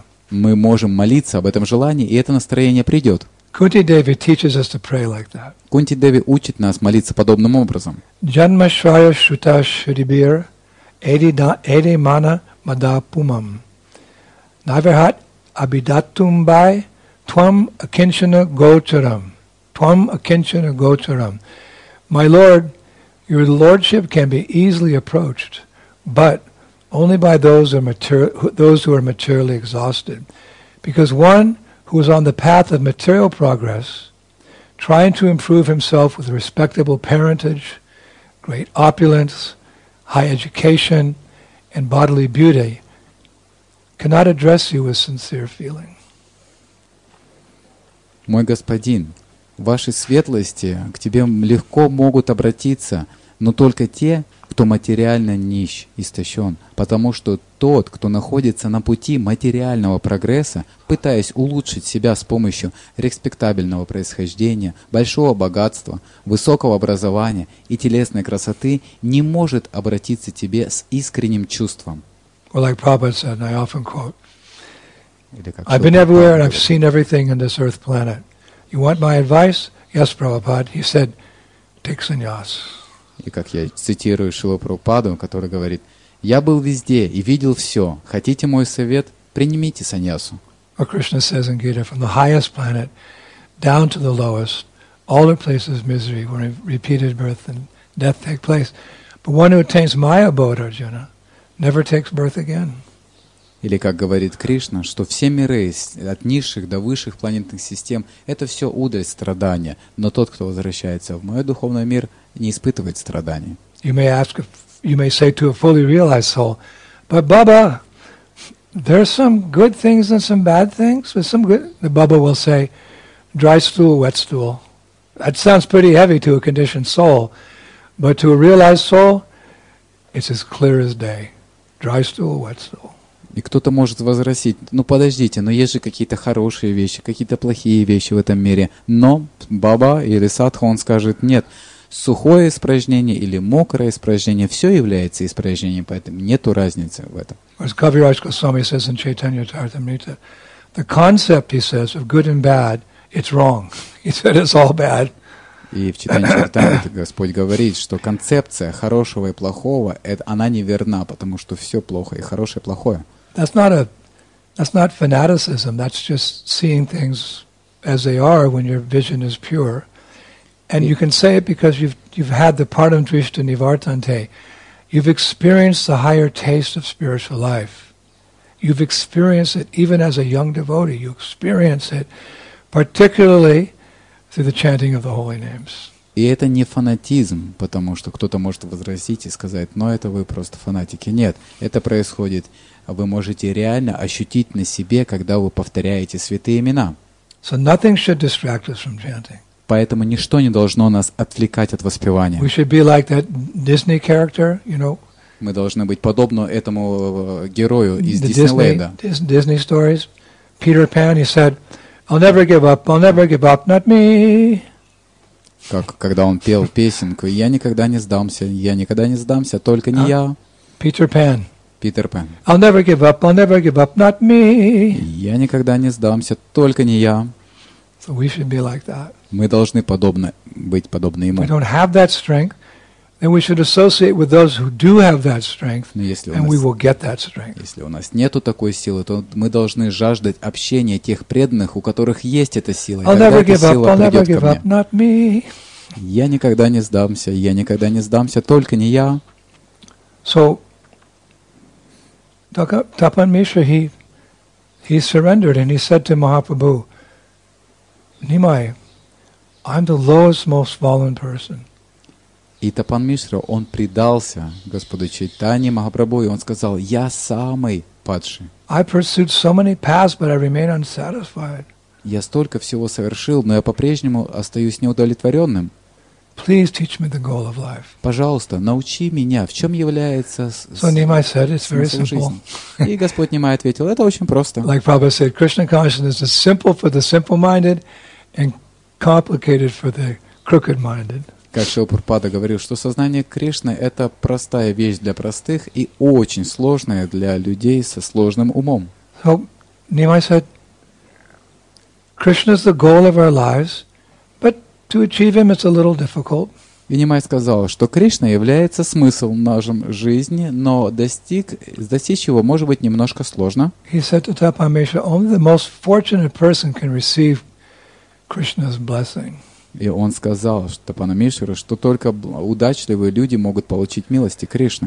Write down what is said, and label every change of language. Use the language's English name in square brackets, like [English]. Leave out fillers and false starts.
[Russian] Мы можем молиться об этом желании, и это настроение придет. [English] Kunti Devi teaches us to pray like that. [Russian] Кунти Деви учит нас молиться подобным образом. [Sanskrit] Janma Shraya Shruta Shribir Edi Mana Madapumam Navihat Abhidatum Bai Twam Akinshana Gocharam Twam Akinshana Gocharam. [English] My Lord, your Lordship can be easily approached, but only by those who are materially exhausted. Because one who is on the path of material progress, trying to improve himself with respectable parentage, great opulence, high education, and bodily beauty, cannot address you with sincere feeling. [Russian] Мой господин, ваши светлости к тебе легко могут обратиться, но только те, кто материально нищ, истощен, потому что тот, кто находится на пути материального прогресса, пытаясь улучшить себя с помощью респектабельного происхождения, большого богатства, высокого образования и телесной красоты, не может обратиться к тебе с искренним чувством. [English] Well, like Prabhupada said, and I often quote, I've been everywhere and I've seen everything on this earth planet. You want my advice? Yes, Prabhupada. He said, take sannyas. [Russian] И как я цитирую Шрилу Прабхупаду, который говорит, «Я был везде и видел все. Хотите мой совет? Принимите саньясу». Как Кришна говорит в Гите, [English] «From the highest planet down to the lowest, all the places of misery where repeated birth and death take place. But one who attains my abode, Arjuna, never takes birth again». [Russian] Или как говорит Кришна, что все миры, от низших до высших планетных систем, это все удаль страдания. Но тот, кто возвращается в мой духовный мир, не испытывает страданий. [English] You may ask, you may say to a fully realized soul, but Baba, there's some good things and some bad things, but some good. The Baba will say, dry stool, wet stool. That sounds pretty heavy to a conditioned soul, but to a realized soul, it's as clear as day. Dry stool, wet stool. [Russian] И кто-то может возразить, ну подождите, но есть же какие-то хорошие вещи, какие-то плохие вещи в этом мире. Но Баба или Садху, он скажет, нет, сухое испражнение или мокрое испражнение, все является испражнением, поэтому нету разницы в этом. [English] As Kaviraj Goswami says in Chaitanya Charitamrita, the concept, he says, of good and bad, it's wrong. He said, it's all bad. [Russian] И в читании Чайтанья Господь говорит, что концепция хорошего и плохого, она неверна, потому что все плохо, и хорошее, и плохое. [English] That's not fanaticism, that's just seeing things as they are when your vision is pure. And you can say it because you've had the [Sanskrit] Param Drishta Nivartante. [English] You've experienced the higher taste of spiritual life. You've experienced it even as a young devotee. You experience it particularly through the chanting of the holy names. [Russian] И это не фанатизм, потому что кто-то может возразить и сказать, ну это вы просто фанатики. Нет, это происходит, вы можете реально ощутить на себе, когда вы повторяете святые имена. [English] So nothing should distract us from chanting. [Russian] Поэтому ничто не должно нас отвлекать от воспевания. [English] We should be like that Disney character, you know. [Russian] Мы должны быть подобны этому герою из Диснейленда. [English] Disney stories. Peter Pan, he said, I'll never give up, I'll never give up, not me. [Russian] Как, когда он пел песенку, я никогда не сдамся, я никогда не сдамся, только не я. [English] Peter Pan. Peter Pan. I'll never give up, I'll never give up, not me. [Russian] Я никогда не сдамся, только не я. [English] So we should be like that. [Russian] Мы должны подобны, быть подобны ему. [English] We don't have that strength. Then we should associate with those who do have that strength, and we will get that strength. [Russian] Если у нас нету такой силы, то мы должны жаждать общения тех преданных, у которых есть эта сила. [English] I'll never give up. I'll never give up. Not me. [Russian] Я никогда не сдамся. Я никогда не сдамся. Только не я. [English] So, Tapan Mishra, he surrendered and he said to Mahaprabhu, Nimai, I'm the lowest, most fallen person. [Russian] И Тапан Мишра, он предался Господу Чайтанье Махапрабху, и он сказал, я самый падший. [English] I pursued so many paths, but I remain unsatisfied. [Russian] Я столько всего совершил, но я по-прежнему остаюсь неудовлетворенным. [English] Please teach me the goal of life. [Russian] Пожалуйста, научи меня, в чем является смысл жизни. И Господь Нимай ответил, это очень просто. [English] Like Prabhupada said, Krishna consciousness is simple for the simple-minded and complicated for the crooked-minded. [Russian] Как Шрила Прабхупада говорил, что сознание Кришны — это простая вещь для простых и очень сложная для людей со сложным умом. [English] So, Nimai said, Krishna is the goal of our lives, but to achieve him it's a little difficult. [Russian] И Нимай сказал, что Кришна является смыслом нашей жизни, но достичь его может быть немножко сложно. [English] He said to Tapan Mishra, only the most fortunate person can receive Krishna's blessing. [Russian] И он сказал Тапану Мишру, что только удачливые люди могут получить милости Кришны.